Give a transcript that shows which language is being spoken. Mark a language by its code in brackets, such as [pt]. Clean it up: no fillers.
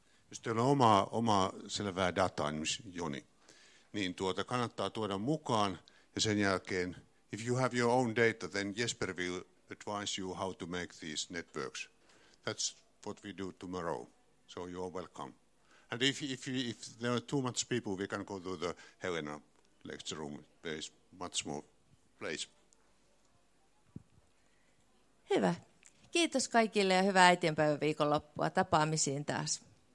[fi] Jos teillä on omaa selvää dataa, Joni, niin kannattaa tuoda mukaan ja sen jälkeen, [en] if you have your own data, then Jesper will advise you how to make these networks. That's what we do tomorrow, so you're welcome. And if there are too much people, we can go to the Helena lecture room. There is much more place. [fi] Hyvä. Kiitos kaikille ja hyvää äitienpäivän viikonloppua. Tapaamisiin taas.